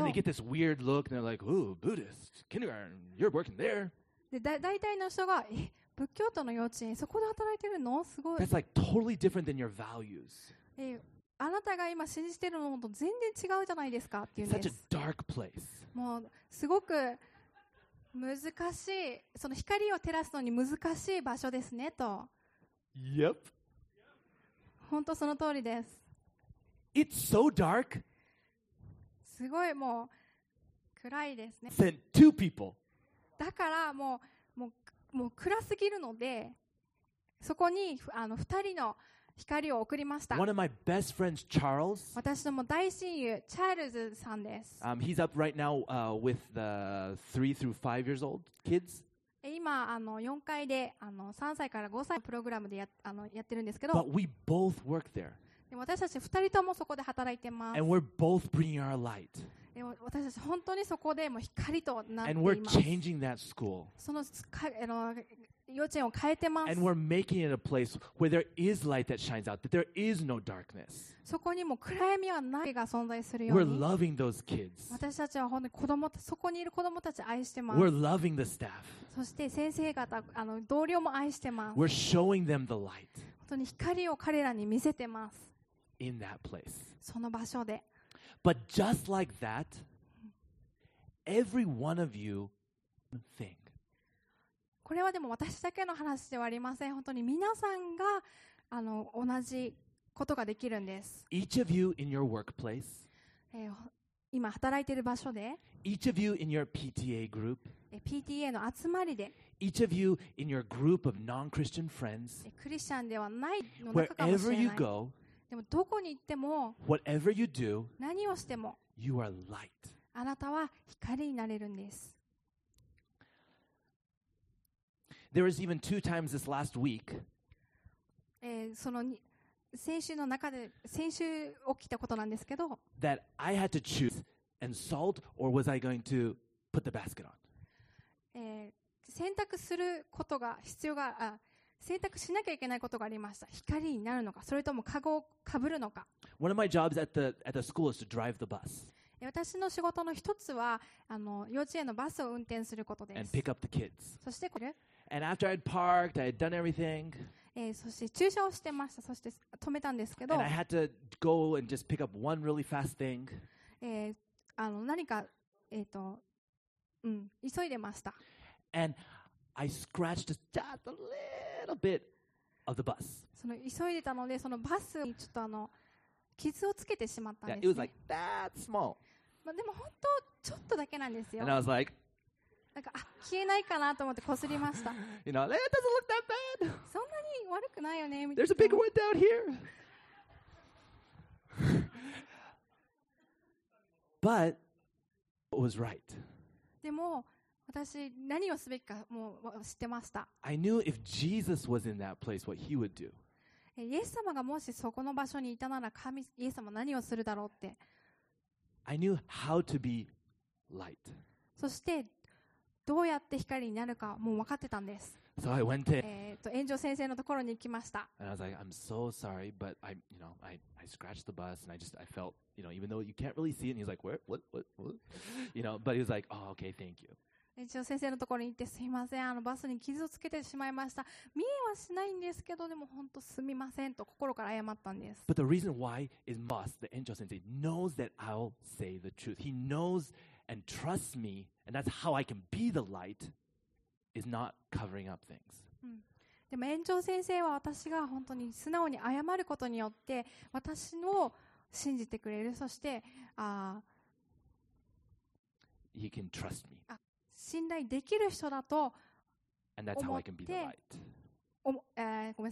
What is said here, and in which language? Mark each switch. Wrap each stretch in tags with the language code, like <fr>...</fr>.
<en>And they get this weird look and they're like, ooh, Buddhist kindergarten, you're working there.</en> <ja>で大体の人が、仏教徒の幼稚園そこで働いてるの？すごい。</ja> <en>That's like totally different than your values.</en> <ja>あなたが今信じてるものと全然違うじゃないですかっていうんです。</ja> <en>Such a dark place.</en> <ja>もうすごく難しい、その光を照らすのに難しい場所ですねと。</ja> <en>Yep.</en> <ja>本当その通りです。</ja> <en>It's so dark.</en> <ja>すごいもう暗いですね。</ja> <en>Sent two people.</en> <ja>だからもう暗すぎるので、そこにあの2人の光を送りました。</ja> <en>One of my best friends, Charles.</en> <ja>私のも大親友、チャールズさんです。</ja> <en>He's up right now, with the 3 through 5 years old kids.</en> <ja>今あの4階で、あの3歳から5歳のプログラムでやってるんですけど。</ja> <en>But we both work there.</en> <ja>でも私たち2人ともそこで働いてます。</ja> <en>And we're both bringing our light.</en> <ja>私たち本当にそこでもう光となっています。</ja> <en>And we're changing that school.</en> <ja>その幼稚園を変えてます。</ja> <en>And we're making it a place where there is light that shines out, that there is no darkness.</en> <ja>そこにも暗闇はないが存在するように。</ja> <en>We're loving those kids.</en> <ja>私たちは本当に子供、そこにいる子供たちを愛してます。</ja> <en>We're loving the staff.</en> <ja>そして先生方、あの同僚も愛してます。</ja> <en>We're showing them the light.</en> <ja>本当に光を彼らに見せてます。</ja> <en>In that place.</en> <ja>その場所で。</ja> <en>But just like that, every one of you think.</en> <ja>これはでも私だけの話ではありません。本当に皆さんがあの同じことができるんです。</ja> <en>Each of you in your workplace.</en> <ja>今働いている場所で。</ja> <en>Each of you in your PTA group.</en> <ja>PTA の集まりで。</ja> <en>Each of you in your group of non-Christian friends.</en> <ja>クリスチャンではないの中かもしれない。</ja> <en>Wherever you go.</en> <ja>でもどこに行っても、</ja> <en>Whatever you do,</en> <ja>何をしても、</ja> <en>you are light.</en> <ja>あなたは光になれるんです。</ja> <en>There is even two times this last week,</en> <ja>その先週の中で先週起きたことなんですけど、</ja> <en>that I had to choose and salt or was I going to put the basket on?</en> <ja>選択することが必要が、選択しなきゃいけないことがありました。光になるのか、それともカゴをかぶるのか。</ja> <en>One of my jobs at the school is to drive the bus.</en> <ja>私の仕事の一つはあの幼稚園のバスを運転することです。</ja> <en>And pick up the kids.</en> <ja>そしてこれ。</ja> <en>And after I'd parked, I'd done everything.</en> <ja>そして駐車をしてました。そして止めたんですけど。</ja> <en>And I had to go and just pick up one really fast thing.</en> <ja>あの何か急いでました。</ja> <en>And I scratched just a little. A bit of the bus.</en> <ja>その急いでたのでそのバスにちょっとあの傷をつけてしまったんですね。</ja> <en>Yeah, it was like that small.</en> <ja>まあでも本当ちょっとだけなんですよ。</ja> <en>And I was like,</en> <ja>なんか消えないかなと思って擦りました。</ja> <en>You know, it doesn't look that bad.</en> <ja>そんなに悪くないよね。</ja> <en>There's a big one down here. But it was right.</en> <ja>でも私何をすべきかもう知ってました。</ja> <en>I knew if Jesus was in that place, what he would do.</en> <ja>イエス様がもしそこの場所にいたなら神、イエス様何をするだろうって。</ja> <en>I knew how to be light.</en> <ja>そしてどうやって光になるかもう分かってたんです。</ja> <en>So I went to</en> <ja>炎上先生のところに行きました。</ja> <en>And I was like, I'm so sorry, but I, you know, I scratched the bus and I felt, you know, even though you can't really see it, and he's like, where, what, you know, but he was like, oh, okay, thank you.</en> <ja>一応先生のところに行ってすいません、あのバスに傷をつけてしまいました。見えはしないんですけど、でも本当すみませんと心から謝ったんです。</ja> <en>But the reason why is Moss, the angel 先生, knows that I'll say the truth. He knows and trusts me, and that's how I can be the light, is not covering up things.</en> <ja>でも園長先生は私が本当に素直に謝ることによって、私を信じてくれる。そして、</ja> <en>He can trust me.</en> <ja>信頼できる人だと思って、ごめん</ja>